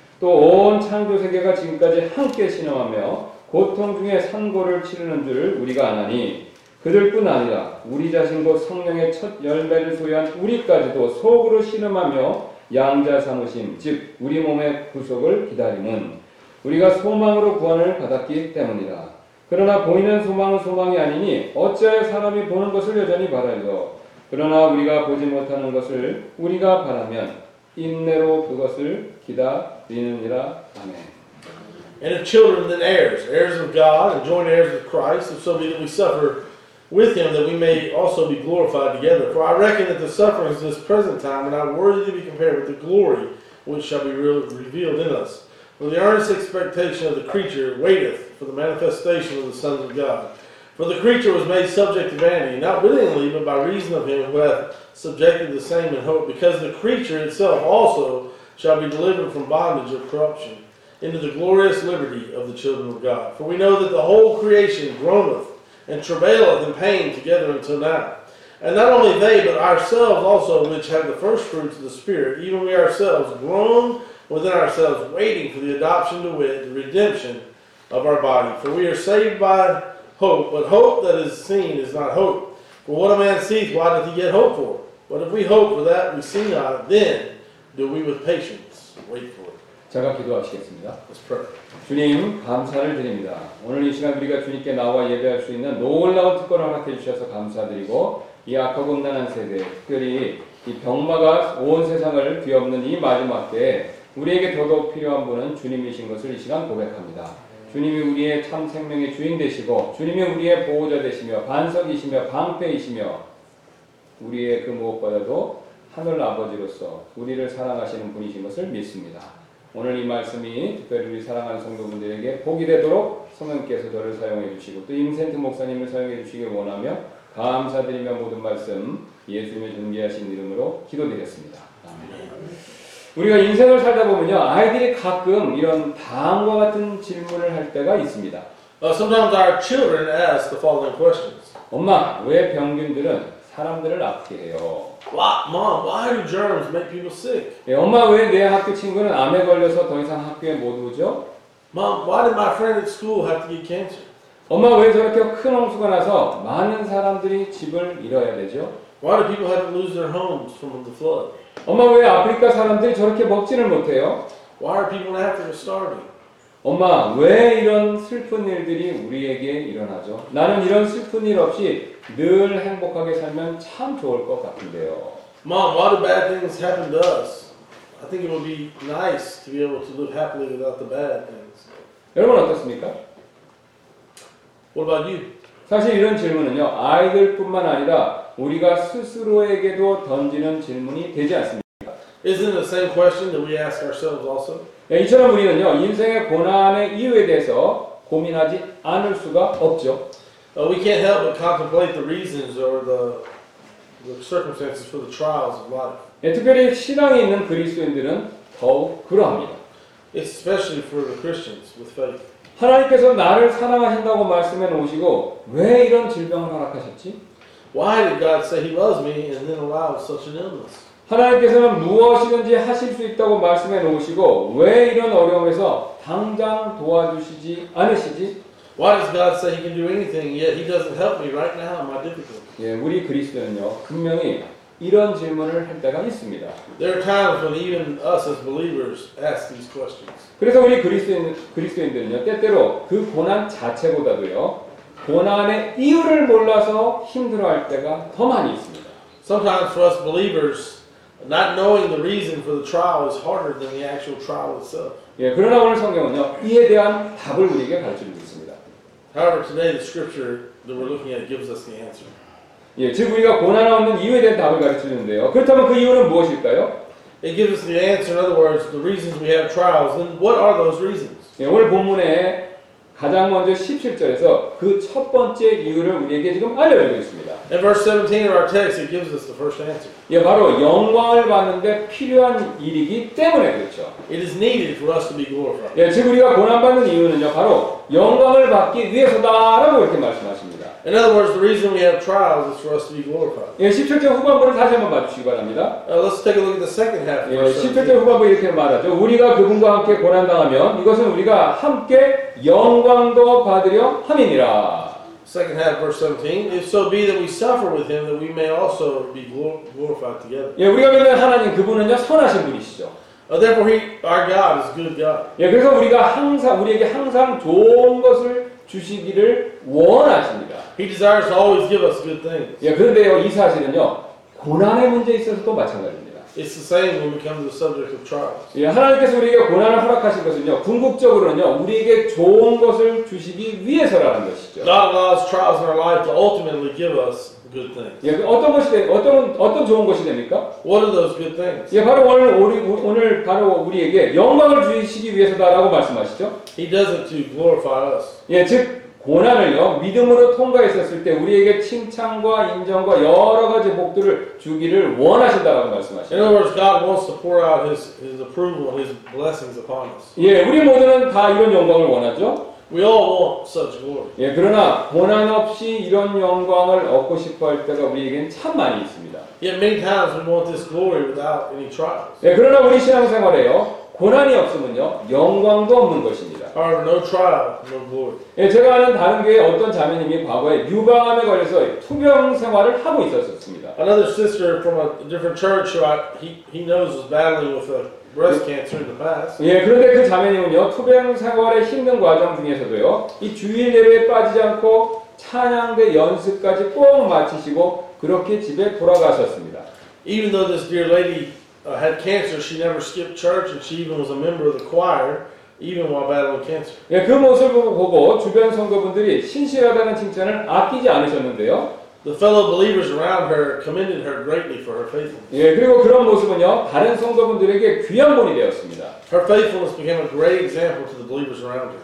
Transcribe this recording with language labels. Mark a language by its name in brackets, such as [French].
[Korean] 또 온 창조 세계가 지금까지 함께 신음하며 고통 중에 산고를 치르는 줄을 우리가 아나니 그들뿐 아니라 우리 자신과 성령의 첫 열매를 소유한 우리까지도 속으로 신음하며 양자 삼으심 즉 우리 몸의 구속을 기다림은 우리가 소망으로 구원을 받았기 때문이라. 그러나 보이는 소망은 소망이 아니니 어찌하여 사람이 보는 것을 여전히 바라요. 그러나 우리가 보지 못하는 것을 우리가 바라면 인내로 그것을 기다리느니라. 아멘. [English] And if children, then heirs, heirs of God, and joint heirs of Christ, if so be that we suffer with him, that we may also be glorified together. For I reckon that the sufferings of this present time are not worthy to be compared with the glory which shall be revealed in us. For the earnest expectation of the creature waiteth for the manifestation of the sons of God. For the creature was made subject to vanity, not willingly, but by reason of him who hath subjected the same in hope, because the creature itself also shall be delivered from bondage of corruption into the glorious liberty of the children of God. For we know that the whole creation groaneth and travaileth in pain together until now. And not only they, but ourselves also, which have the first fruits of the Spirit, even we ourselves groan within ourselves, waiting for the adoption to wit, the redemption of our body. For we are saved by hope, but hope that is seen is not hope. For what a man seeth, why doth he yet hope for? But if we hope for that we see not, then do we with patience wait for it. [Korean] 제가 기도하시겠습니다. [English] Let's pray. [Korean] 주님, 감사를 드립니다. 오늘 이 시간 우리가 주님께 나와 예배할 수 있는 놀라운 특권을 허락해 주셔서 감사드리고 이 악하고 음란한 세대, 특별히 이 병마가 온 세상을 뒤엎는 이 마지막 때에 우리에게 더더욱 필요한 분은 주님이신 것을 이 시간 고백합니다. 주님이 우리의 참 생명의 주인 되시고 주님이 우리의 보호자 되시며 반석이시며 방패이시며 우리의 그 무엇보다도 하늘 아버지로서 우리를 사랑하시는 분이신 것을 믿습니다. 오늘 이 말씀이 특별히 우리 사랑하는 성도분들에게 복이 되도록 성령께서 저를 사용해 주시고 또 임센트 목사님을 사용해 주시길 원하며 감사드리며 모든 말씀 예수님의 존귀하신 이름으로 기도드렸습니다. 아멘. 우리가 인생을 살다 보면요, 아이들이 가끔 이런 다음과 같은 질문을 할 때가 있습니다. [English] Sometimes our children ask the following questions. [Korean] 엄마, 왜 병균들은 사람들을 아프게 해요? [English] Why, mom, why do germs make people sick? [Korean] 예, 엄마, 왜 내 학교 친구는 암에 걸려서 더 이상 학교에 못 오죠? [English] Mom, why did my friend at school have to get cancer? [Korean] 엄마, 왜 저렇게 큰 홍수가 나서 많은 사람들이 집을 잃어야 되죠? [English] Why do people have to lose their homes from the flood? [Korean] 엄마 왜 아프리카 사람들이 저렇게 먹지를 못해요? [English] Why are people in Africa starving? [Korean] 엄마 왜 이런 슬픈 일들이 우리에게 일어나죠? 나는 이런 슬픈 일 없이 늘 행복하게 살면 참 좋을 것 같은데요. [English] Mom, why do bad things happen to us? I think it would be nice to be able to live happily without the bad things. [Korean] 여러분 어떻습니까? [English] What about you? [Korean] 사실 이런 질문은요 아이들뿐만 아니라 우리가 스스로에게도 던지는 질문이 되지 않습니까? [English] Isn't the same question that we ask ourselves also? [Korean] 예, 이처럼 우리는요 인생의 고난의 이유에 대해서 고민하지 않을 수가 없죠. [English] We can't help but contemplate the reasons or the circumstances for the trials of life. [Korean] 예, 특별히 신앙이 있는 그리스도인들은 더욱 그러합니다. [English] Especially for the Christians with faith. [Korean] 하나님께서 나를 사랑하신다고 말씀해 놓으시고 왜 이런 질병을 허락하셨지? [English] Why did God say He loves me and then allow such an illness? [Korean] 하나님께서는 무엇이든지 하실 수 있다고 말씀해 놓으시고 왜 이런 어려움에서 당장 도와주시지 않으시지? [English] Why does God say He can do anything yet He doesn't help me right now in my difficulty? [Korean] 예, 우리 그리스도는요 분명히 이런 질문을 할 때가 있습니다. [English] There are times when even us as believers ask these questions. [Korean] 그래서 우리 그리스도인들은요, 때때로 그 고난 자체보다도요, 고난의 이유를 몰라서 힘들어할 때가 더 많이 있습니다. [English] Sometimes for us believers, not knowing the reason for the trial is harder than the actual trial itself. [Korean] 예, 그러나 오늘 성경은요, 이에 대한 답을 우리에게 가르쳐주고 있습니다. [English] However, today the scripture that we're looking at gives us the answer. [Korean] 예, 즉 우리가 고난 없는 이유에 대한 답을 가르쳐주는데요. 그렇다면 그 이유는 무엇일까요? [English] It gives us the answer. In other words, the reasons we have trials. And what are those reasons? [Korean] 예, 오늘 본문에 가장 먼저 17절에서 그 첫 번째 이유를 우리에게 지금 알려주고 있습니다. [English] In verse 17 of our text, it gives us the first answer. [Korean] 예, 바로 영광을 받는데 필요한 일이기 때문에 그렇죠. [English] It is needed for us to be glorified. [Korean] 예, 즉 우리가 고난 받는 이유는요, 바로 영광을 받기 위해서다라고 이렇게 말씀하십니다. [English] In other words, the reason we have trials is for us to be glorified. [Korean] 예, 17절 후반부를 다시 한번 봐주시기 바랍니다. [English] Let's take a look at the second half. [Korean] 예, 17절 후반부 이렇게 말하죠. 우리가 그분과 함께 고난 당하면 이것은 우리가 함께 영광도 받으려 함이니라. [English] Second half, verse 17. If so be that we suffer with him, that we may also be glorified together. [Korean] 예, 우리가 믿는 하나님 그분은요 선하신 분이시죠. [English] Therefore, our God is good God. [Korean] 예, 그래서 우리가 항상 우리에게 항상 좋은 것을 주시기를 원하십니다. [English] He desires to always give us good things. [Korean] 예, 그런데요, 이 사실은요, 고난의 문제에 있어서도 마찬가지입니다. [English] It's the same when we come to the subject of trials. [Korean] 예, 하나님께서 우리에게 고난을 허락하신 것은요, 궁극적으로는요, 우리에게 좋은 것을 주시기 위해서라는 것이죠. [English] God allows trials in our life to ultimately give us good things. [Korean] 예, 어떤 것이 어떤 좋은 것이 됩니까? [English] What are those good things? [Korean] 예, 바로 오늘 바로 우리에게 영광을 주시기 위해서다라고 말씀하시죠. [English] He does it to glorify us. [Korean] 예, 즉 고난을요 믿음으로 통과했었을 때 우리에게 칭찬과 인정과 여러 가지 복들을 주기를 원하신다라고 말씀하시죠. [English] In other words, God wants to pour out His approval, His blessings upon us. [Korean] 예, 우리 모두는 다 이런 영광을 원하죠. [English] We all want such glory. [Korean] 예, 그러나 고난 없이 이런 영광을 얻고 싶어 할 때가 우리에겐 참 많이 있습니다. [English] Yet many times we want this glory without any trials. [Korean] 예, 그러나 우리 신앙생활에요 고난이 없으면요 영광도 없는 것입니다. [English] Or no trial, no glory. [Korean] 예, 제가 아는 다른 교회 어떤 자매님이 과거에 유방암에 걸려서 투병 생활을 하고 있었습니다. [English] Another sister from a different church he knows was battling with a breast cancer in the past. [Korean] 예, 그런데 그 자매님은요 투병 생활의 힘든 과정 중에서도요 이 주일 예배에 빠지지 않고 찬양대 연습까지 꼭 마치시고 그렇게 집에 돌아가셨습니다. [English] Even though this dear lady had cancer, she never skipped church, and she even was a member of the choir, even while battling cancer. [Korean] 예, 그 모습을 보고 주변 성도분들이 신실하다는 칭찬을 아끼지 않으셨는데요. [English] The fellow believers around her commended her greatly for her faithfulness. [Korean] 예, 그리고 그런 모습은요 다른 성도분들에게 귀한 본이 되었습니다. [English] Her faithfulness became a great example to the believers around her.